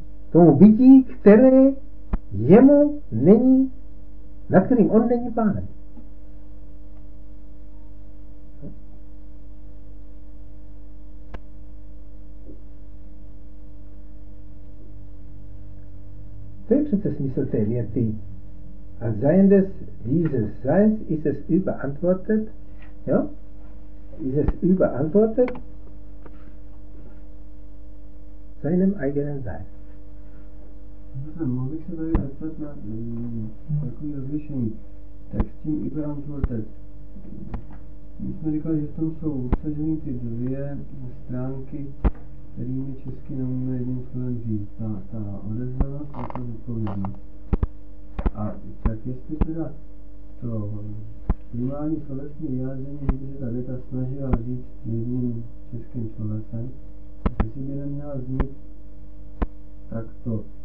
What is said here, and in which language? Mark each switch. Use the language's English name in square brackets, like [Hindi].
[Czech] tomu bytí, které jemu není, nad kterým on není pánem. To je přece smysl té věty. [German] A sein des dieses Seins ist es überantwortet. Jo? Ist es überantwortet seinem eigenen Sein. [Czech] Mohl bych se tady zeptat na takový rozlišení. Tak s tím überantwortet. My jsme říkali, že tam jsou obsaženy ty dvě stránky, kterými česky neumíme jedním slovem říct. Ta odezvanost a ta zodpovědnost. A tak jestli teda to primární slovesní vyjádření, že se ta věta snažila říct jedním českým slovesem, jestli by neměla znít takto.